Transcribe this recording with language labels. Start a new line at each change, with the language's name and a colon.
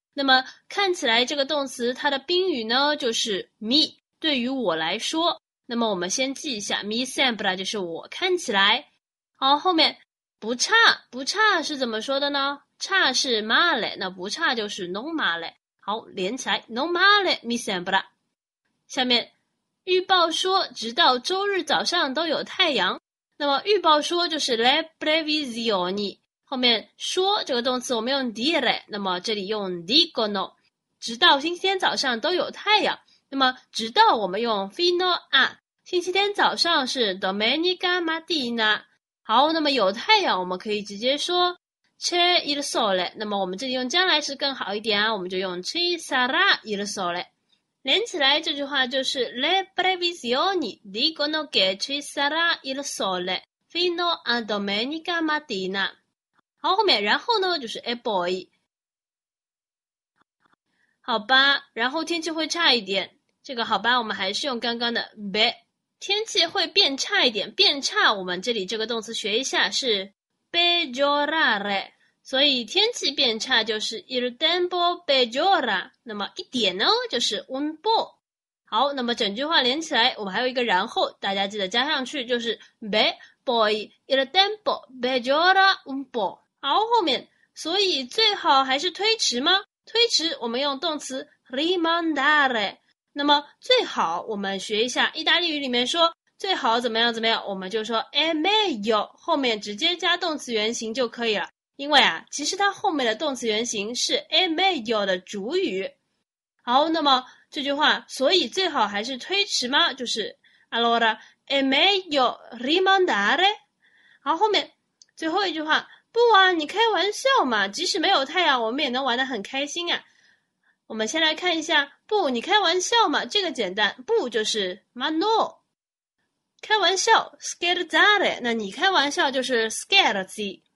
Chinese: 那么看起来这个动词它的宾语呢就是 mi， 对于我来说。那么我们先记一下
Italian: mi sembra
Chinese: 就是我看起来。好，后面不差，不差是怎么说的呢？差是 male， 那不差就是
Italian: non male。
Chinese: 好，连起来
Italian: non male mi sembra。
Chinese: 下面预报说直到周日早上都有太阳，那么预报说就是
Italian: le previsioni，
Chinese: 后面说这个动词我们用 dire， 那么这里用 dicono， 直到星期天早上都有太阳，那么直到我们用
Italian: fino a，
Chinese: 星期天早上是
Italian: domenica mattina。
Chinese: 好，那么有太阳我们可以直接说
Italian: c'è il sole，
Chinese: 那么我们这里用将来时更好一点啊，我们就用
Italian: ci sarà il sole。
Chinese: 连起来这句话就是
Italian: le previsioni dicono che ci sarà il sole fino a domenica mattina。
Chinese: 好，后面然后呢就是
Italian: e poi。
Chinese: 好吧，然后天气会差一点，这个好吧我们还是用刚刚的 be，天气会变差一点，变差，我们这里这个动词学一下是 peggiorare，所以天气变差就是
Italian: il tempo peggiora，
Chinese: 那么一点呢就是
Italian: un po。
Chinese: 好，那么整句话连起来，我们还有一个然后，大家记得加上去就是
Italian: be poi il tempo peggiora un po。
Chinese: 好，后面，所以最好还是推迟吗？推迟我们用动词 rimandare。那么最好，我们学一下意大利语里面说最好怎么样怎么样，我们就说
Italian: è meglio，
Chinese: 后面直接加动词原形就可以了。因为啊，其实它后面的动词原形是 è meglio 的主语。好，那么这句话，所以最好还是推迟吗？就是
Italian: allora è meglio rimandare。
Chinese: 好，后面最后一句话，不啊，你开玩笑嘛，即使没有太阳，我们也能玩得很开心啊。我们先来看一下，不，你开玩笑嘛？这个简单，不就是
Italian: ma no，
Chinese: 开玩笑 scherzare，那你开玩笑就是 scherzi。